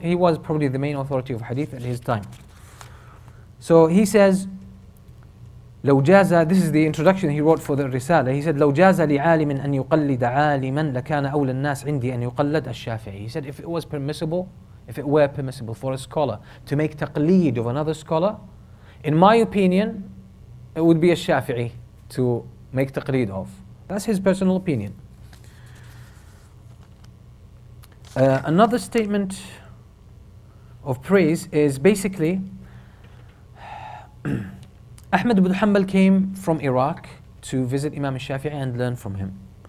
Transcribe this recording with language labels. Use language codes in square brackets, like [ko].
[en] He was probably the main authority of hadith at his time. So he says, [ar] لو جاز, [en] this is the introduction he wrote for the Risala. He said, [ar] لو جاز لعالم أن يقلد عالما لكان أولى الناس عندي أن يقلد الشافعي. [en] He said, if it were permissible for a scholar to make taqleed of another scholar, in my opinion, it would be a Shafi'i to make taqleed of. That's his personal opinion. Another statement of praise is basically, Ahmed ibn Hanbal came from Iraq to visit Imam al-Shafi'i and learn from him.